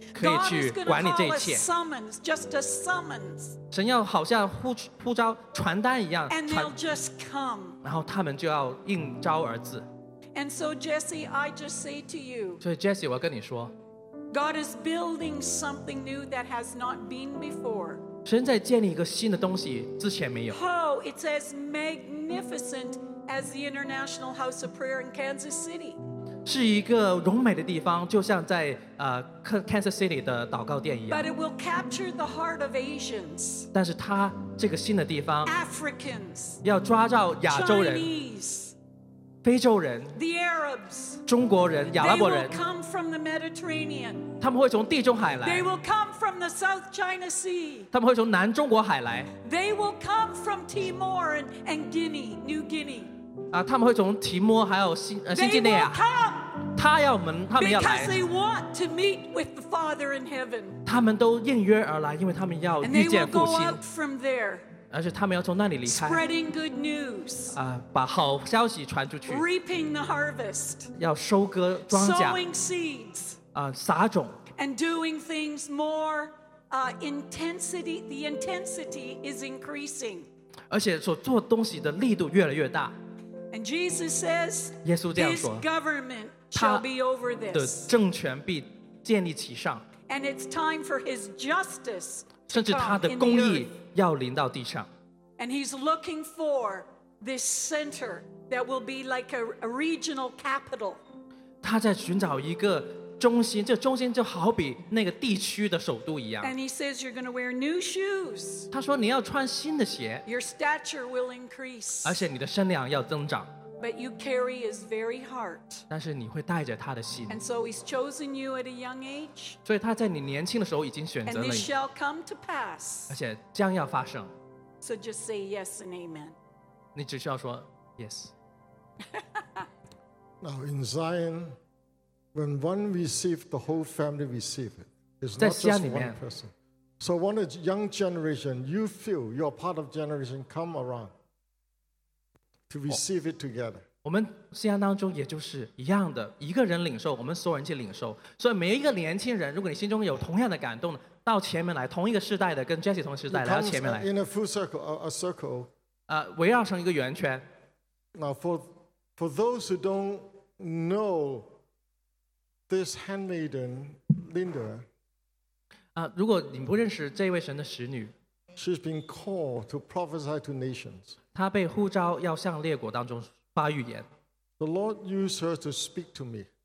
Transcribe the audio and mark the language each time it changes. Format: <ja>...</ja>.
<en>God is going to call a summons, just a summons.</en> <zh>神要好像呼召, 传单一样,</zh> <en>and they'll just come.</en> <zh>然后他们就要应召而至。</zh> <en>And so, Jesse, I just say to you,</en> <zh>所以Jesse, 我跟你说,</zh> <en>God is building something new that has not been before.</en> <zh>神在建立一个新的东西, 之前没有。</zh> <en>Oh, it's as magnificent as the International House of Prayer in Kansas City.</en> <zh>是一个荣美的地方, 就像在, Kansas City的祷告殿一样。</zh> <en>But it will capture the heart of Asians.</en> <zh>但是它这个新的地方,</zh> <en>Africans,</en> <zh>要抓到亚洲人,</zh> <en>Chinese,</en> <zh>非洲人,</zh> <en>the Arabs,</en> <zh>中国人, 亚拉伯人,</zh> <en>they will come from the Mediterranean.</en> <zh>他们会从地中海来,</zh> <en>they will come from the South China Sea.</en> <zh>他们会从南中国海来,</zh> <en>they will come from Timor and Guinea, New Guinea.</en> <zh>他们会从提摩还有新几内亚，他要门，他们要来。</zh> <en>Because they want to meet with the Father in heaven.</en> <zh>他们都应约而来，因为他们要遇见父亲。</zh> <en>And they will go out from there.</en> <zh>而且他们要从那里离开。</zh> <en>Spreading good news.</en> <zh>把好消息传出去。</zh> <en>Reaping the harvest.</en> <zh>要收割庄稼。</zh> <en>Sowing seeds.</en> <zh>撒种。</zh> <en>And doing things more intensity. The intensity is increasing.</en> <zh>而且所做东西的力度越来越大。</zh> <en>And Jesus says,</en> <zh>耶稣这样说,</zh> <en>this government shall be over this.</en> <zh>他的政权必建立其上,</zh> <en>and it's time for his justice to come in the earth.</en> <zh>甚至他的公义要临到地上。</zh> <en>And he's looking for this center that will be like a regional capital.</en> <zh>他在寻找一个中心, 这中心就好比那个地区的首都一样。</zh> <en>And he says, you're going to wear new shoes.</en> <zh>他说你要穿新的鞋。</zh> <en>Your stature will increase.</en> <zh>而且你的身量要增长。</zh> <en>But you carry his very heart.</en> <zh>但是你会带着他的心。</zh> <en>And so he's chosen you at a young age.</en> <zh>所以他在你年轻的时候已经选择了你。</zh> <en>And this shall come to pass.</en> <zh>而且将要发生。</zh> <en>So just say yes and amen.</en> <zh>你只需要说 yes.</zh> <en>Now in Zion, when one receives, the whole family receives it. It's not just one person. So when a young generation, you feel you're part of generation, come around to receive it together.</en> <zh>我们信仰当中也就是一样的，一个人领受，我们所有人去领受。所以每一个年轻人，如果你心中有同样的感动，到前面来，同一个世代的，跟Jesse同时代来到前面来。</zh> <en>In a full circle, a circle.</en> <zh>围绕成一个圆圈。</zh> <en>Now for those who don't know this handmaiden, Linda,</en> <zh>如果你不认识这位神的使女,</zh> <en>she's been called to prophesy to nations.</en> <zh>她被呼召要向列国当中发预言。</zh> <en>The Lord used her to speak to me.</en>